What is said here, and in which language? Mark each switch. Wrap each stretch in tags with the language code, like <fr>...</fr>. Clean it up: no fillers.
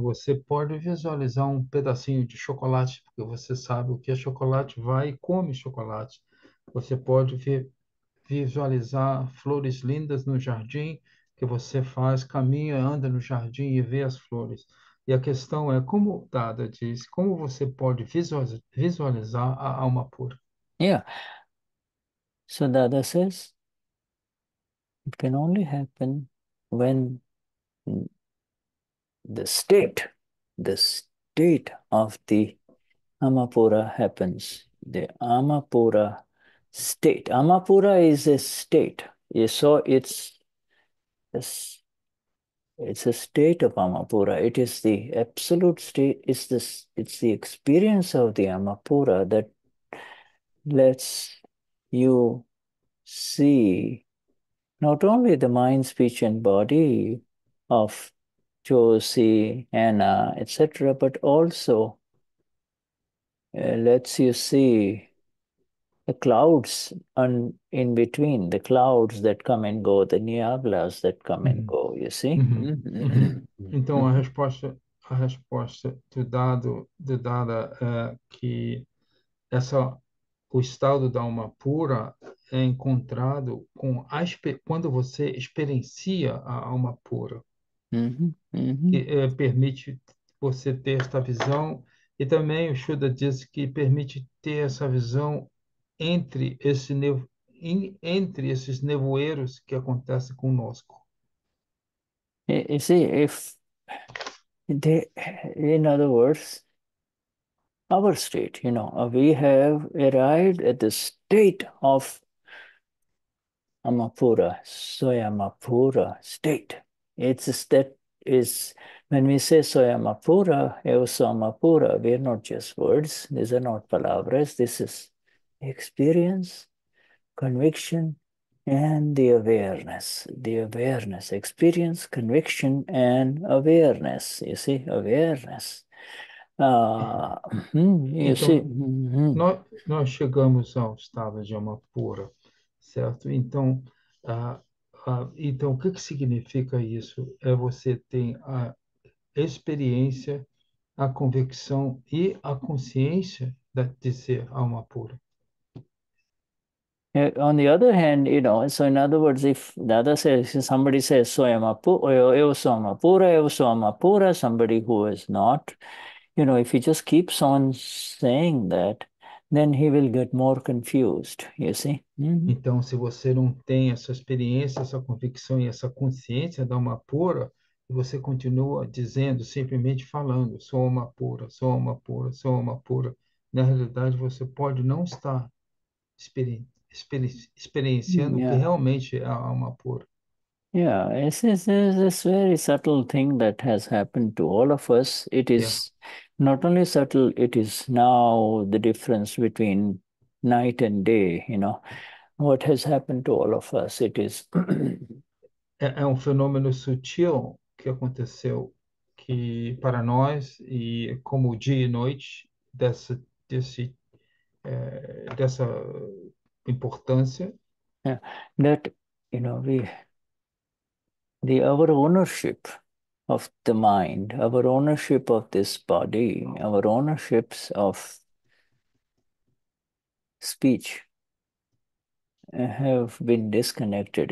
<pt>Você pode visualizar um pedacinho de chocolate, porque você sabe o que é chocolate, vai e come chocolate. Você pode visualizar flores lindas no jardim, que você faz, caminha, anda no jardim e vê as flores. E a questão é, como Dada diz, como você pode visualizar a alma pura?</pt> <en>Yeah. So Dada says it can only happen when the state of the Amapura happens. The Amapura state. Amapura is a state. So it's a state of Amapura. It is the absolute state. It's the experience of the Amapura that lets you see not only the mind, speech, and body of Josie, Anna, etc., but also lets you see the clouds and in between, the clouds that come and go, the niablas that come and go, you see?</en> <pt>Então, a resposta do Dada é que o estado da alma pura é encontrado quando você experiencia a alma pura, que permite você ter esta visão, e também o Shuddha diz que permite ter essa visão entre esses nevoeiros que acontecem conosco.</pt> <en>You see, if they, in other words, our state, we have arrived at the state of Amapura, Soyamapura state. It's that is when we say Soyamapura, Eosamapura, we are not just words, these are not palabras, this is experience, conviction, and the awareness, experience, conviction, and awareness. You see, awareness. You see.</en> <pt>Então, nós chegamos ao estado de alma pura, certo? Então, então, o que que significa isso? É você tem a experiência, a convicção e a consciência de ser alma pura.</pt> <en>On the other hand, so in other words, if Dada says, somebody says,</en> <pt>eu sou alma pura,</pt> <en>somebody who is not, if he just keeps on saying that, then he will get more confused, you see?</en> <pt>Então, se você não tem essa experiência, essa convicção e essa consciência da alma pura, e você continua dizendo, simplesmente falando, sou alma pura, sou alma pura, sou alma pura, na realidade você pode não estar experienciando o que realmente é a alma pura.</pt> <en>It's a very subtle thing that has happened to all of us. It is not only subtle, it is now the difference between night and day, what has happened to all of us. It is.</en> <pt>É um fenômeno sutil que aconteceu que para nós e como dia e noite dessa importância.</pt> <en>Yeah, that we the our ownership of the mind, our ownership of this body, our ownerships of speech have been disconnected.</en>